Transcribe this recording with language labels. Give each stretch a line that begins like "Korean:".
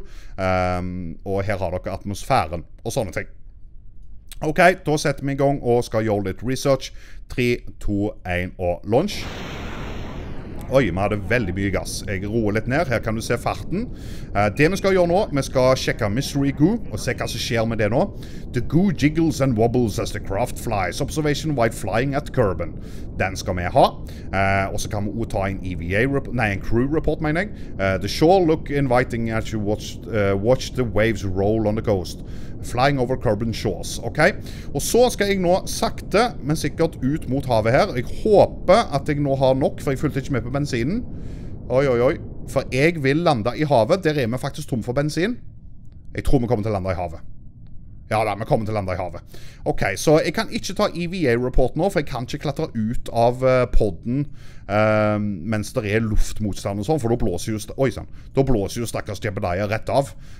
Norwegian: Og her har dere atmosfæren og sånne ting. Ok, da setter vi i gang og skal gjøre litt research. 3, 2, 1 og launch. Oi, vi hadde veldig mye gass. Jeg roer litt ned. Her kan du se farten. Det vi skal gjøre nå, vi skal sjekke Mystery Goo og se hva som skjer med det nå.
English: The goo jiggles and wobbles as the craft flies. Observation while flying at Kerbin.
Norwegian: Den skal vi ha. Og så kan vi ta en crew report, mener jeg.
English: The shore look inviting as you watch the waves roll on the coast. Flying over Kerbin shores, ok?
Norwegian: Og så skal jeg nå sakte, men sikkert ut mot havet her. Jeg håper at jeg nå har nok, for jeg fulgte ikke med på bensinen. Oi, oi, oi. For jeg vil lande i havet. Der er vi faktisk tom for bensin. Jeg tror vi kommer til å lande i havet. Ja, da, vi kommer til å lande i havet. Ok, så jeg kan ikke ta EVA-rapport nå, for jeg kan ikke klatre ut av podden mens det er luftmotstand og sånn, for da blåser jo, stakkars Jebediah rett av.